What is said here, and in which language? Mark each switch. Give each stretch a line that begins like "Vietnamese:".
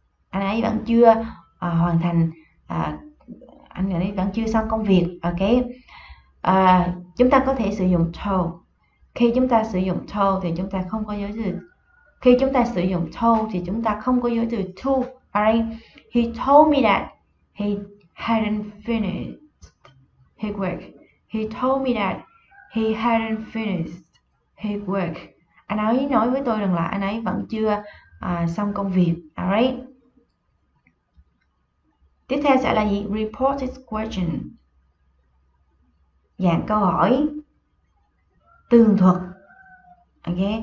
Vietnamese: Anh ấy vẫn chưa hoàn thành, anh ấy vẫn chưa xong công việc. Ok. Chúng ta có thể sử dụng to. Khi chúng ta sử dụng to thì chúng ta không có dấu từ. Khi chúng ta sử dụng to thì chúng ta không có dấu từ to.
English: Alright. He told me that he hadn't finished his work. He told me that he hadn't finished his work.
Vietnamese: Anh ấy nói với tôi rằng là anh ấy vẫn chưa xong công việc. Alright. Tiếp theo sẽ là gì?
English: Report his question.
Vietnamese: Dạng câu hỏi tường thuật. Ok.